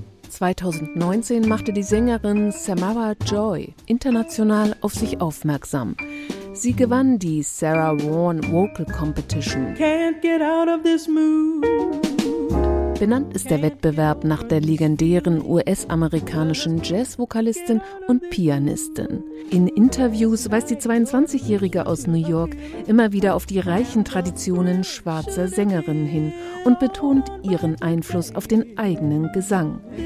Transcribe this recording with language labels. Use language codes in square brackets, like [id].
[de] 2019 machte die Sängerin Samara Joy international auf sich aufmerksam. Sie gewann die Sarah Vaughan Vocal Competition. [en] Can't get out of this mood. [de] Benannt ist der Wettbewerb nach der legendären US-amerikanischen Jazz-Vokalistin und Pianistin. In Interviews weist die 22-Jährige aus New York immer wieder auf die reichen Traditionen schwarzer Sängerinnen hin und betont ihren Einfluss auf den eigenen Gesang.